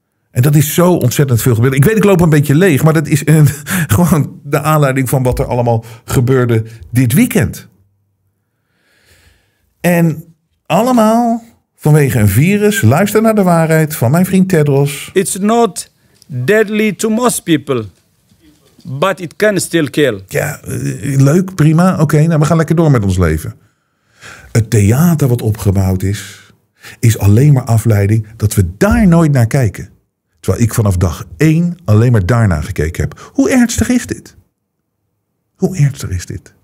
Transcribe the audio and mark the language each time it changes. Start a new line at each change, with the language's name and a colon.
Dutch: En dat is zo ontzettend veel gebeurd. Ik weet, ik loop een beetje leeg. Maar dat is gewoon de aanleiding van wat er allemaal gebeurde dit weekend. En allemaal vanwege een virus, luister naar de waarheid van mijn vriend Tedros.
English: It's not deadly to most people, but it can still kill.
Dutch: Ja, leuk, prima, oké, nou, we gaan lekker door met ons leven. Het theater wat opgebouwd is, is alleen maar afleiding dat we daar nooit naar kijken. Terwijl ik vanaf dag 1 alleen maar daarna gekeken heb. Hoe ernstig is dit? Hoe ernstig is dit?